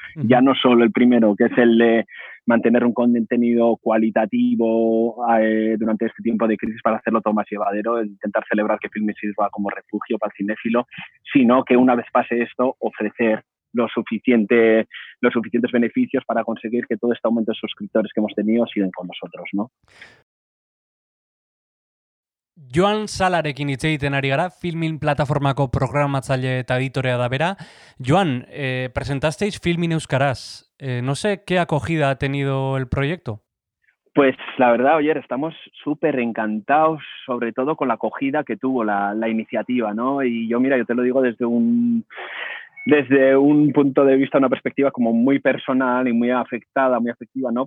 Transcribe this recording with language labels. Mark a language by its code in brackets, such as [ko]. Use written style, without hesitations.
[es] ya no solo el primero, que es el de mantener un contenido cualitativo durante este tiempo de crisis para hacerlo todo más llevadero, intentar celebrar que Filmes sirva como refugio para el cinéfilo, sino que una vez pase esto, ofrecer los suficientes beneficios para conseguir que todo este aumento de suscriptores que hemos tenido sigan con nosotros, ¿no? [eu] Joan Salarekin hitz egiten ari gara, Filmin plataformako programatzaile eta editorea da bera. [es] Joan, presentasteis Filmin euskaraz. No sé qué acogida ha tenido el proyecto. Pues la verdad, Oyer, estamos súper encantados, sobre todo con la acogida que tuvo la iniciativa, ¿no? Y yo, mira, yo te lo digo desde un punto de vista, una perspectiva como muy personal y muy afectada, muy afectiva, ¿no?